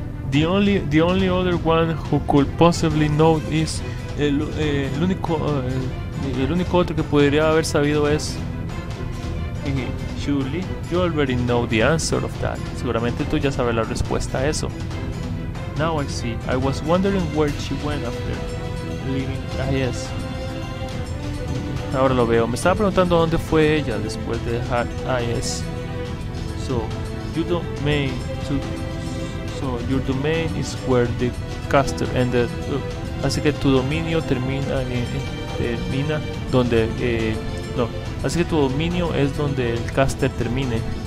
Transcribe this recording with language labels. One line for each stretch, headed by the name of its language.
English: The only other one who could possibly know is
Spanish: el único otro que podría haber sabido es.
English: Surely you already know the answer of that.
Spanish: Seguramente tú ya sabes la respuesta a eso.
English: Now I see. I was wondering where she went after leaving. Ah, yes.
Spanish: Ahora lo veo. Me estaba preguntando dónde fue ella después de dejar. Ah, yes.
English: Your domain is where the caster ended.
Spanish: Así que tu dominio es donde el caster termine.